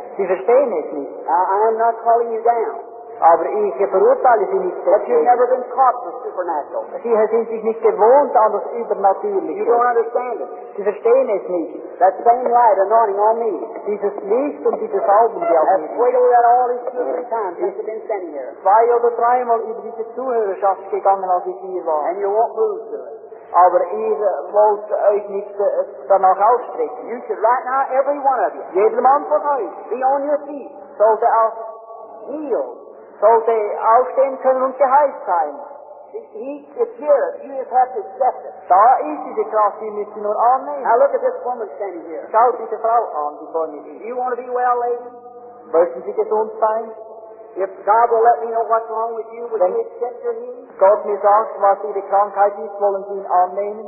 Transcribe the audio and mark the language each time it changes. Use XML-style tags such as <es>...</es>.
<de>Sie verstehen es nicht.</de> <en>I am not calling you down.</en> <de>Aber ich verurteile Sie nicht.</de> <en>But you've never been caught with supernatural.</en> <de>Sie sind sich nicht gewohnt an das Übernatürliche.</de> <en>You don't understand it.</en> <de>Sie verstehen es nicht.</de> <en>That same light anointing on me.</en> <de>Dieses Licht und dieses Augen, die auf mir.</de> <en>I've prayed over that all these 2 or 3 times since I've been standing here.</en> <de>2 oder 3 Mal über diese Zuhörerschaft gegangen, als ich hier war.</de> <en>And you won't move to it.</en> <de>Aber ihr wollt euch nicht danach ausstrecken.</de> <en>You should right now, every one of you,</en> <de>jeder Mann von euch,</de> <en>be on your feet,</en> <de>sollte auch heal, sollte aufstehen können und geheilt sein.</de> <en>He is here. You just have to accept it.</en> <de>Da ist diese Kraft, die müsst ihr nur annehmen.</de> <en>Now look at this woman standing here.</en> <de>Schaut diese Frau an, die vor mir steht.</de> <en>Do you want to be well, lady?</en> <de>Möchten Sie gesund sein?</de> <en>If God will let me know what's wrong with you, would you accept your healing?</en> <de>Gott mir sagt, was Ihre Krankheit ist, wollen Sie ihn annehmen?</de>